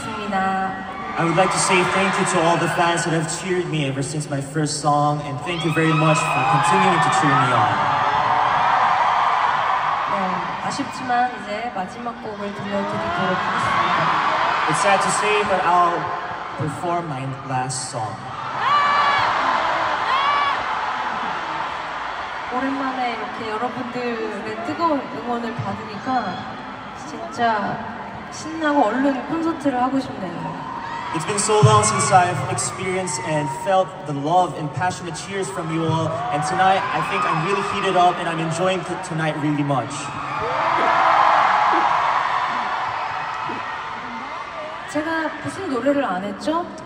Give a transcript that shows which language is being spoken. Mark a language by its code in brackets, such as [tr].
[en] I would like to say thank you to all the fans that have cheered me ever since my first song, and thank you very much for continuing to cheer me on. [ko] 아쉽지만 이제 마지막 곡을 들려드리도록 하겠습니다. [en] It's sad to say, but I'll perform my last song. [ko] 오랜만에 이렇게 여러분들의 뜨거운 응원을 받으니까 진짜 신나고 얼른 콘서트를 하고 싶네요. [en] It's been so long since I've experienced and felt the love and passionate cheers from you all, and tonight I think I'm really heated up and I'm enjoying tonight really much. [ko] 제가 무슨 노래를 안 했죠?